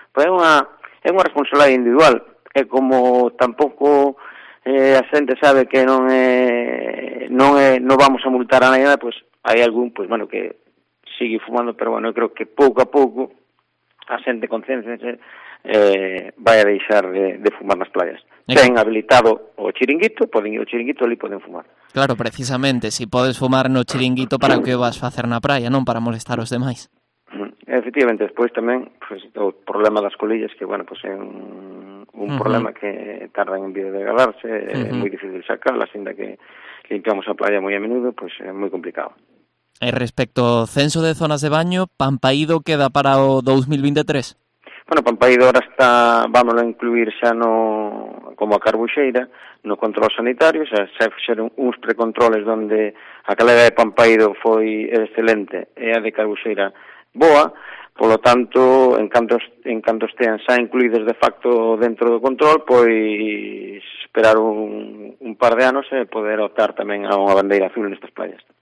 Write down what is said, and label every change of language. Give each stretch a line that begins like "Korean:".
Galician: Pero é unha responsabilidade individual, é como tampouco a xente sabe que non vamos a multar a nada, pues hai algún, pues bueno, que sigue fumando, pero bueno, eu creo que pouco a pouco a xente conciénciase vai a deixar de fumar nas playas. Ten habilitado o chiringuito, poden ir ao chiringuito e ali poden fumar. Claro, precisamente, si podes fumar no chiringuito, para que vas facer na praia, non para molestar os demais. Efectivamente, despois tamén, pues, o problema das colillas, que bueno, pues, é
Spanish: un problema que tarda en biodegradarse, es muy difícil sacarla, siendo que limpiamos la playa muy a menudo, pues es muy complicado. Respecto al censo de zonas de baño, ¿Pampaído queda para 2023?
Galician: Bueno, Pampaído
Spanish: ahora está,
Galician: vámonos a incluir xa no, como a Carbuxeira, no control sanitario, xa se fixeron uns precontroles donde a calera de Pampaído foi excelente e a de Carbuxeira boa, polo tanto, en canto estean xa incluídos de facto dentro do control, pois esperar un par de anos e poder optar tamén a unha bandeira azul nestas playas.